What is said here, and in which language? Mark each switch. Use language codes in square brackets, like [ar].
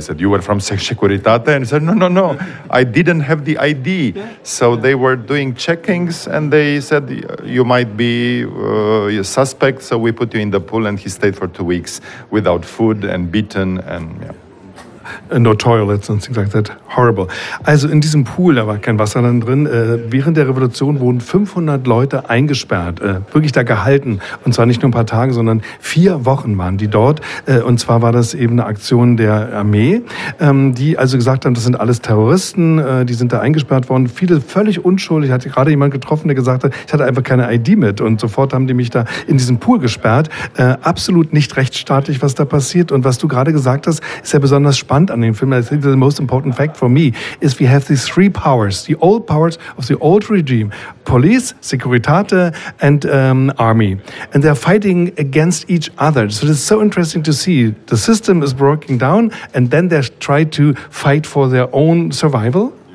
[en] I said, you were from Securitate? And he said, no, I didn't have the ID. So they were doing checkings and they said, you might be a suspect, so we put you in the pool. And he stayed for 2 weeks without food and beaten and, yeah. No toilets and things like that. Horrible. [de] Also in diesem Pool, da war kein Wasser dann drin, während der Revolution wurden 500 Leute eingesperrt, wirklich da gehalten. Und zwar nicht nur ein paar Tage, sondern 4 Wochen waren die dort. Und zwar war das eben eine Aktion der Armee, die also gesagt haben, das sind alles Terroristen, die sind da eingesperrt worden. Viele völlig unschuldig. Ich hatte gerade jemanden getroffen, der gesagt hat, ich hatte einfach keine ID mit. Und sofort haben die mich da in diesem Pool gesperrt. Absolut nicht rechtsstaatlich, was da passiert. Und was du gerade gesagt hast, ist ja besonders spannend. An dem Film, [en] I think the most important fact for me is we have these 3 powers, the old powers of the old regime, police, Securitate, and army. And they're fighting against each other. So it's so interesting to see the system is breaking down and then they try to fight for their own survival.